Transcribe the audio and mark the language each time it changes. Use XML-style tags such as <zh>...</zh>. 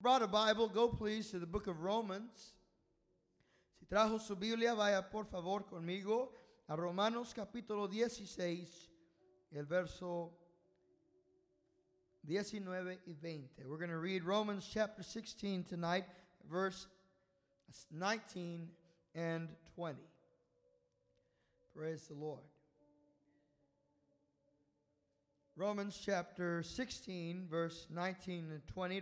<en>brought a Bible, go please to the book of Romans.</en> <es>Si trajo su Biblia, vaya por favor conmigo a Romanos capítulo 16, el verso 19 y 20.</es> <en>We're going to read Romans chapter 16 tonight, verse 19 and 20. Praise the Lord. Romans chapter 16, verse 19 and 20.</en>